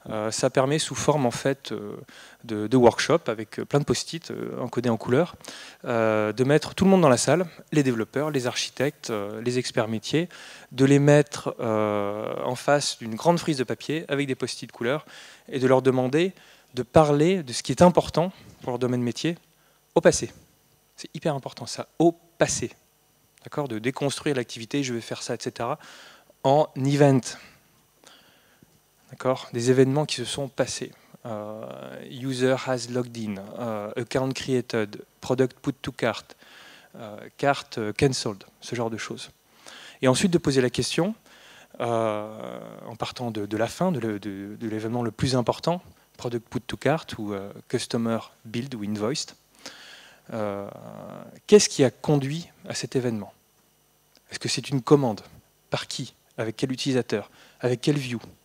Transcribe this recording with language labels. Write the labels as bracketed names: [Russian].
[French] Ça permet sous forme en fait, de workshop avec plein de post-it encodés en couleurs, de mettre tout le monde dans la salle, les développeurs, les architectes, les experts métiers, de les mettre en face d'une grande frise de papier avec des post-it couleurs et de leur demander de parler de ce qui est important pour leur domaine métier au passé. C'est hyper important ça, au passé. D'accord, de déconstruire l'activité, je vais faire ça, etc. en event. D'accord, des événements qui se sont passés. [English] User has logged in, account created, product put to cart, cart cancelled, [French] ce genre de choses. Et ensuite de poser la question, en partant de la fin, de l'événement le plus important, [English] product put to cart [French] ou [English] customer billed ou invoiced, [French] qu'est-ce qui a conduit à cet événement? Est-ce que c'est une commande? Par qui? Avec quel utilisateur? Avec quel view?